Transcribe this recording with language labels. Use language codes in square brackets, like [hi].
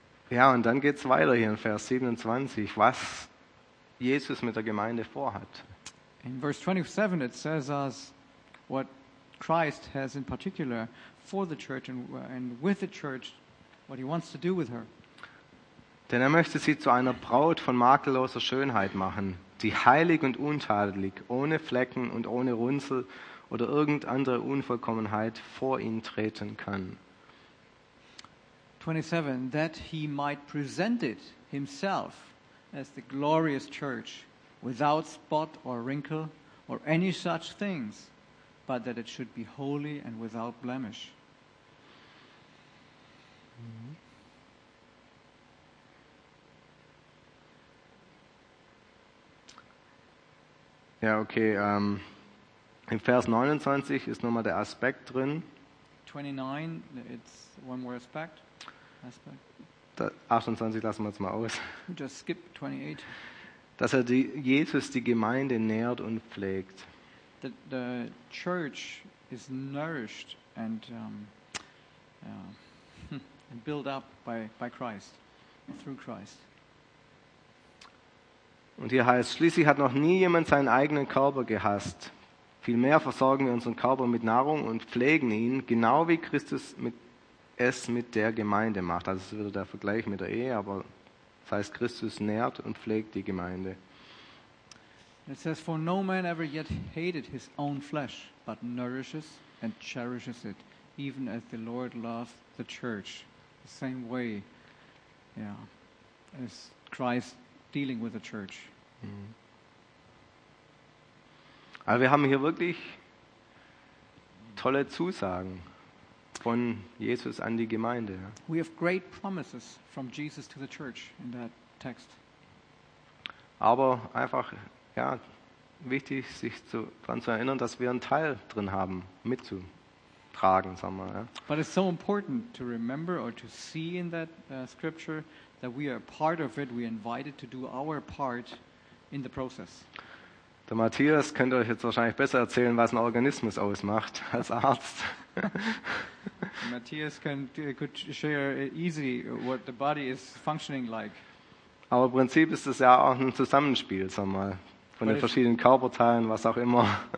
[de] Ja, und dann geht's weiter hier in Vers 27, was Jesus mit der Gemeinde vorhat. [en] In verse 27 it says us what Christ has in particular for the church and with the church, what he wants to do with her. [de] Denn er möchte sie zu einer Braut von makelloser Schönheit machen, die heilig und untadelig, ohne Flecken und ohne Runzel oder irgendeine andere Unvollkommenheit vor ihn treten kann. [en] 27, that he might present it himself as the glorious church, without spot or wrinkle or any such things, but that it should be holy and without blemish. [de] Ja, okay. In Vers 29 ist nochmal der Aspekt drin. [en] 29, it's one more aspect. Aspect. [de] 28 lassen wir jetzt mal aus. [en] Just skip 28. [de] Dass er die, Jesus die Gemeinde nährt und pflegt. [en] That the church is nourished and and built up by Christ, through Christ. [de] Und hier heißt, schließlich hat noch nie jemand seinen eigenen Körper gehasst. Vielmehr versorgen wir unseren Körper mit Nahrung und pflegen ihn, genau wie Christus es mit der Gemeinde macht. Also es ist wieder der Vergleich mit der Ehe, aber das heißt, Christus nährt und pflegt die Gemeinde. [en] It says, for no man ever yet hated his own flesh, but nourishes and cherishes it, even as the Lord loves the church. The same way, yeah, as Christ dealing with the church. [de] Also wir haben hier wirklich tolle Zusagen von Jesus an die Gemeinde. [en] We have great promises from Jesus to the church in that text. [de] Aber einfach, ja, wichtig, sich daran zu erinnern, dass wir einen Teil drin haben, mitzutragen, sagen wir. Ja. [en] But it's so important to remember or to see in that scripture that we are part of it, we are invited to do our part in the process. [de] Der Matthias könnte euch jetzt wahrscheinlich besser erzählen, was ein Organismus ausmacht als Arzt. [en] Matthias could share easily what the body is functioning like. [de] Aber im Prinzip ist es ja auch ein Zusammenspiel, sagen wir mal, von den verschiedenen Körperteilen, was auch immer.